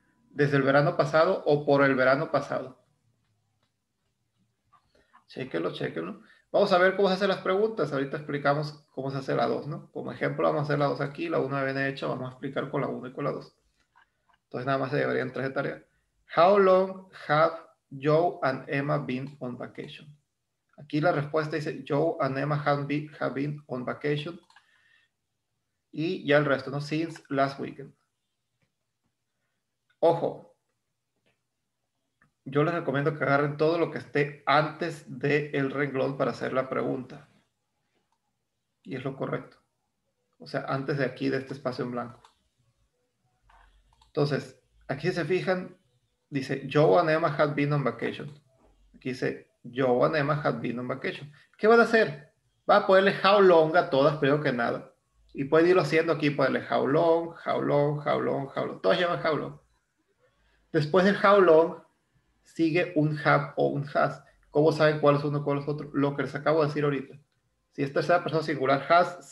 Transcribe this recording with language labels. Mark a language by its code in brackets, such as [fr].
[es] ¿Desde el verano pasado o por el verano pasado? Chéquenlo, chéquenlo. Vamos a ver cómo se hacen las preguntas. Ahorita explicamos cómo se hace la 2, ¿no? Como ejemplo, vamos a hacer la 2 aquí. La 1 viene hecha. Vamos a explicar con la 1 y con la 2. Entonces, nada más se llevarían 3 de tarea. [en] How long have Joe and Emma been on vacation? [es] Aquí la respuesta dice [en] Joe and Emma have been on vacation. [es] Y ya el resto, ¿no? [en] Since last weekend. Ojo. [es] Yo les recomiendo que agarren todo lo que esté antes del renglón para hacer la pregunta. Y es lo correcto. O sea, antes de aquí, de este espacio en blanco. Entonces, aquí si se fijan, dice, [en] Joe and Emma had been on vacation. [es] Aquí dice, [en] Joe and Emma had been on vacation. [es] ¿Qué van a hacer? Va a ponerle how long a todas, primero que nada. Y puede irlo haciendo aquí, ponerle how long, how long, how long, how long. Todas llevan how long. Después del how long, sigue un have o un has. ¿Cómo saben cuál es uno, cuál es otro? Lo que les acabo de decir ahorita. Si es tercera persona singular, has.